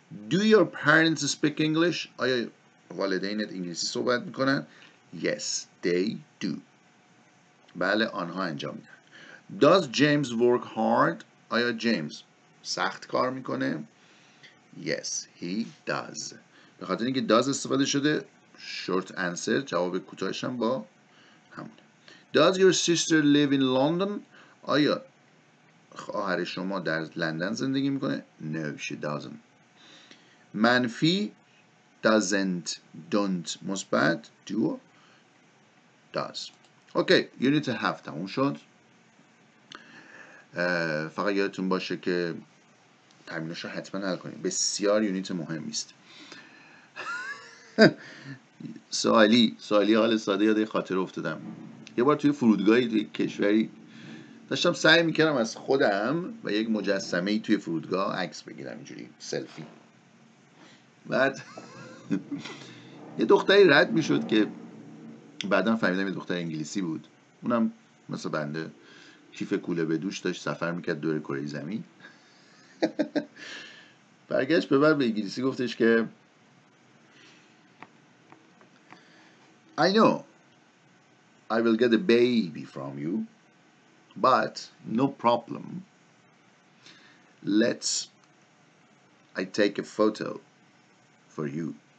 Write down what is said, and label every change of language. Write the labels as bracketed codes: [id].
[en] do your parents speak English؟ [fa] آیا والدینت انگلیسی صحبت میکنن؟ [en] yes they do، [fa] بله آنها انجام میدن. [en] does James work hard؟ [fa] آیا جیمز سخت کار میکنه؟ [en] yes he does. [fa] به خاطر اینکه does استفاده شده، [en] short answer، [fa] جواب کوتاهش هم با همونه. [en] does your sister live in London؟ [fa] آیا خواهر شما در لندن زندگی میکنه؟ [en] no she doesn't. [fa] منفی doesn't، don't. مثبت do، does. اوکی، یونیت 7 تموم شد. فقط یادتون باشه که تمریناشو حتما حل کنید، بسیار یونیت مهمی است. سوالی حال ساده، یاد یه خاطره افتادم. یه بار توی فرودگاهی توی کشوری داشتم سعی میکردم از خودم و یک مجسمه‌ای توی فرودگاه عکس بگیرم، اینجوری سلفی. بعد یه دختری رد میشد که بعدا فهمیدم یه دختر انگلیسی بود، اونم مثل بنده. کیف کوله به دوش داشت سفر میکرد دور کره زمین. برگشت به بعد به انگلیسی گفتش که [en] I know I will get a baby from you but no problem, let's I take a photo for you.